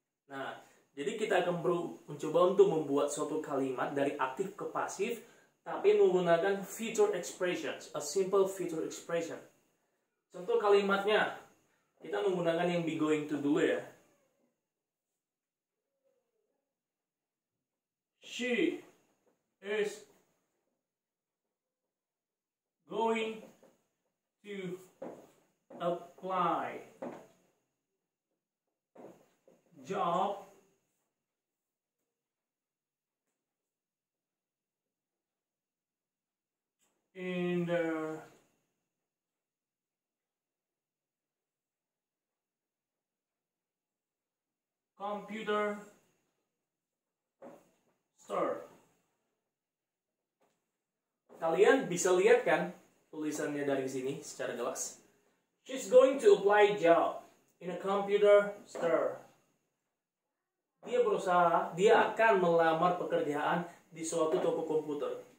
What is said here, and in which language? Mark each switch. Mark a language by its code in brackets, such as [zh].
[id] Nah, jadi kita akan mencoba untuk membuat suatu kalimat dari aktif ke pasif, tapi menggunakan future expressions, a simple future expression. Contoh kalimatnya, kita menggunakan yang be going to do ya. [en] She is going to apply job in the computer store. [id] Kalian bisa lihat kan tulisannya dari sini secara jelas. [en] She's going to apply job in a computer store. [id] Dia berusaha, dia akan melamar pekerjaan di suatu toko komputer.